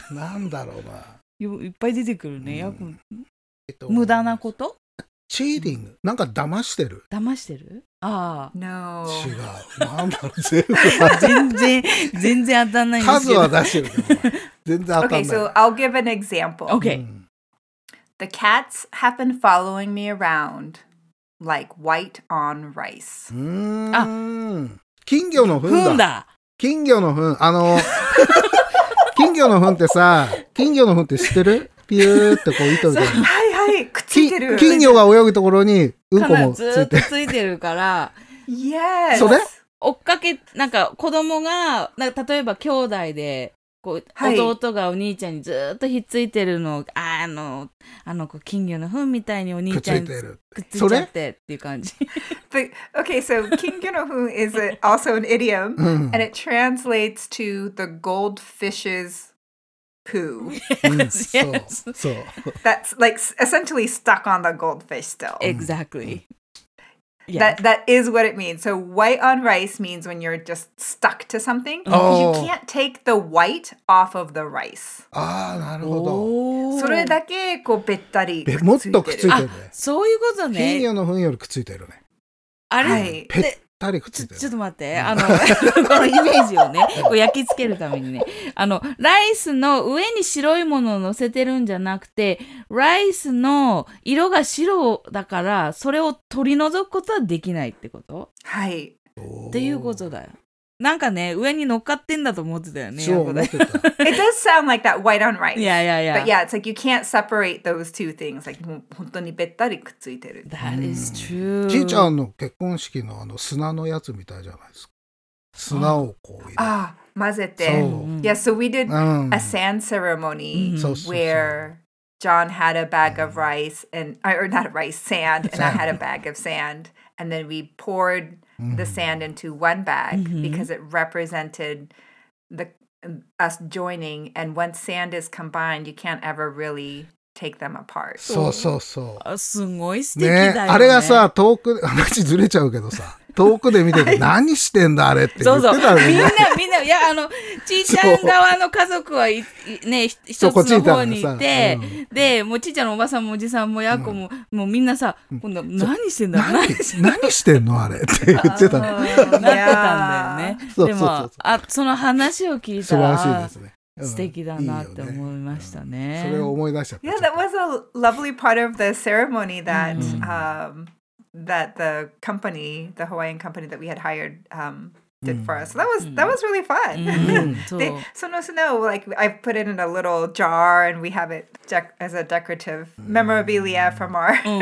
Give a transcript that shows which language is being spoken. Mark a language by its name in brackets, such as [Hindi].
[Japanese] なんだろうな。いっぱい出てくるね。無駄なこと? チーディング、うん、なんか騙してる。騙してる？ああ、 [English] no. [Japanese] 違う。なんだろう、全部。全然当たんないんですけど。数は出してるけど。全然当たんない。 [English] Okay, so I'll give an example. Okay.、うん、 The cats have been following me around like white on rice. [Japanese] あ、金魚の糞だ。金魚の糞。あの、金魚の糞ってさ、金魚の糞って知ってる？ピューってこう糸で。はい。くっついてる。金魚が泳ぐところにうんこもついてる。ずっとついてるから。 [English] yes! [Japanese] それ追っかけ、なんか子供が、なんか例えば兄弟で、こう、はい、弟がお兄ちゃんにずっとひっついてるのを、あの子金魚の糞みたいにお兄ちゃんにくっついちゃってっていう感じ。 [English] But, okay, so [Japanese] 金魚の糞 [English] is also an idiom, and it translates to the goldfish's poo. Yes, yes. That's like essentially stuck on the goldfish still. Exactly. That is what it means. So white on rice means when you're just stuck to something. Oh. You can't take the white off of the rice. [Japanese] Ah, なるほど。それだけこうべったり。もっとくっついてるね。そういうことね。金魚の糞よりくっついてるね。あれ。ぺったりくっついてる。ちょっと待って。あの、このイメージをね、こう焼き付けるためにね。あの、ライスの上に白いものを乗せてるんじゃなくて、ライスの色が白だから、それを取り除くことはできないってこと？はい。っていうことだよ。なんかね、上に乗っかってんだと思ってたよね。そう、思ってた。 [English] It does sound like that white on rice. Yeah, yeah, yeah. But yeah, it's like you can't separate those two things. Like, [Japanese] もう本当にべったりくっついてる。 [English] That is true. [Japanese] じいちゃんの結婚式のあの砂のやつみたいじゃないですか。砂をこう入れて。ああ、混ぜて。そう。 [English] Yeah, so we did a sand ceremony where John had a bag of rice and, or not rice, sand, and I had a bag of sand. And then we poured... the sand into one bag because it represented the, us joining. And once sand is combined, you can't ever really take them apart. [Japanese] そうそうそう。あ、すごい素敵だよね。あれがさ、遠く、話ずれちゃうけどさ、遠くで見てて何してんだあれって言ってたのに。そうそう。みんなみんな、いや、あの、ちーちゃん側の家族はね、一つの方にいて、ね、うん、で、もうちーちゃんのおばさんもおじさんもやこも、うん、もうみんなさ、うん、何してんだ、何してんのあれって言ってたの。なってたんだよね。でも、あ、その話を聞いたら。素晴らしいですね。素敵だなって思いましたね。いいね、うん、それを思い出しちゃった。 [English] Yeah, that was a lovely part of the ceremony that, that the company, the Hawaiian company that we had hired, did for us. That was really fun. [Japanese] その砂を [English] like, I put it in a little jar and we have it as a decorative memorabilia from our...